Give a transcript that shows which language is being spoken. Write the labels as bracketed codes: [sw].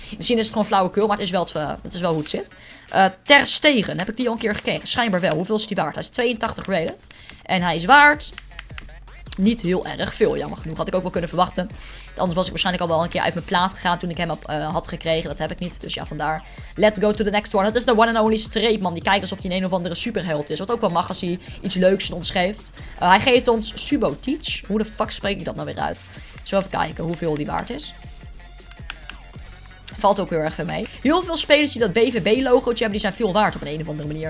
[nl] Misschien is het gewoon flauwekul, maar het is wel hoe het zit. Ter Stegen, heb ik die al een keer gekregen? Schijnbaar wel. Hoeveel is die waard? Hij is 82 rated. En hij is waard niet heel erg veel, jammer genoeg. Had ik ook wel kunnen verwachten. Anders was ik waarschijnlijk al wel een keer uit mijn plaat gegaan toen ik hem had gekregen. Dat heb ik niet. Dus ja, vandaar. [en] Let's go to the next one. [nl] Dat is de [en] one and only Streepman. [nl] Die kijkt alsof hij een of andere superheld is. Wat ook wel mag als hij iets leuks ons geeft. Hij geeft ons Subo Teach. Hoe de fuck spreek ik dat nou weer uit? Zullen we even kijken hoeveel die waard is. Valt ook heel erg veel mee. Heel veel spelers die dat BVB logootje hebben, die zijn veel waard op een of andere manier.